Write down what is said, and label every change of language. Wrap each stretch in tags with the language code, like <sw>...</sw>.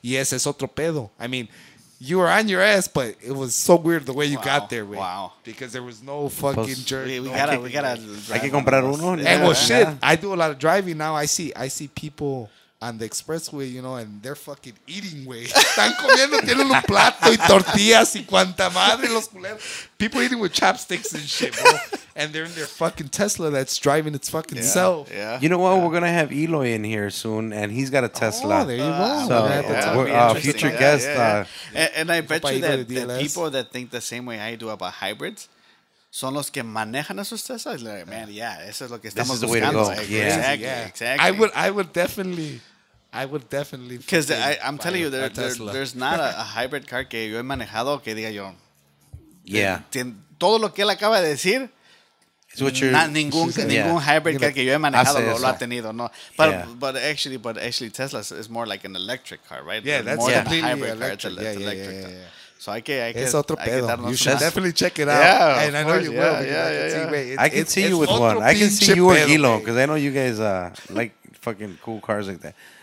<es>Yes, es otro pedo.</es> <en>I mean, you were on your ass, but it was so weird the way you got there. Way. Wow. Because there was no fucking jerk. We gotta.</en> <es>Hay que comprar uno.</es> <en>And well, shit, I do a lot of driving now. I see people on the expressway, you know, and they're fucking eating, way.</en> <es>Están comiendo, tienen un plato y tortillas y cuanta madre los culeros.</es> <en>People eating with chopsticks and shit, bro. And they're in their fucking Tesla that's driving its fucking self. Yeah. You know what? Yeah. We're going to have Eloy in here soon, and he's got a Tesla. Oh, there you go. So, future guest. And I bet you that the people that think the same way I do about hybrids,</en> <es>son los que manejan esos Teslas.</es> <en>Like, man,</en> <es>eso es lo que estamos buscando.</es> <en>This is the way to go. Like, yeah. Exactly. I would definitely. Because I'm telling you, there's not a hybrid car</en> <es>que yo he manejado que diga yo.</es> <en>Yeah.</en> <es>Todo lo que él acaba de decir. Ningún hybrid car que yo he manejado lo ha tenido, no.</es> <en>But actually Tesla is more like an electric car, right? Yeah, that's more completely than a hybrid electric. Car. So I can.</en> <es>Es otro pedo.</es> <en>You should definitely check it out. Yeah, of course. I can see you with one. I can see you or Gilo, because I know you guys like fucking cool cars like that.</en>